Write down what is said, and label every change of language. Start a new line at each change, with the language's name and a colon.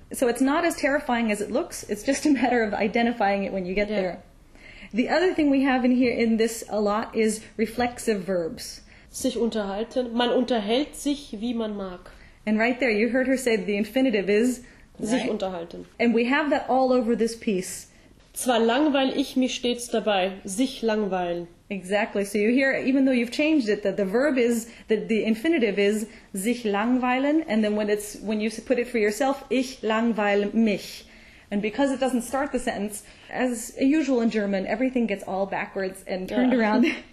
English: So it's not as terrifying as it looks. It's just a matter of identifying it when you get there. The other thing we have in here in this a lot is reflexive verbs.
German: Sich unterhalten. Man unterhält sich, wie man mag.
English: And right there, you heard her say the infinitive is?
German: Sich unterhalten.
English: And we have that all over this piece.
German: Zwar langweil ich mich stets dabei, sich langweilen.
English: Exactly. So you hear, even though you've changed it, that the verb is, that the infinitive is,
German: sich langweilen.
English: And then when you put it for yourself,
German: ich langweile mich.
English: And because it doesn't start the sentence, as usual in German, everything gets all backwards and turned around.